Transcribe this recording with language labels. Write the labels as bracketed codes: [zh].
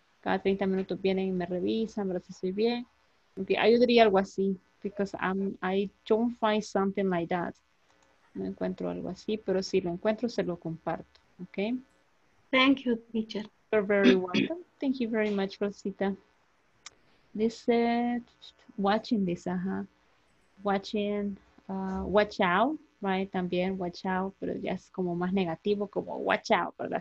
[es] Cada 30 minutos vienen y me revisan, pero si estoy bien. [en] Okay, [es] yo diría algo así, [en] because I don't find something like that. [es] No encuentro algo así, pero si lo encuentro, se lo comparto, okay? [en] Thank you, teacher. You're very welcome. Thank you very much, Rosita. This said, watching this, Watching, watch out, right? [es] También, watch out, pero ya es como más negativo, como watch out, ¿verdad?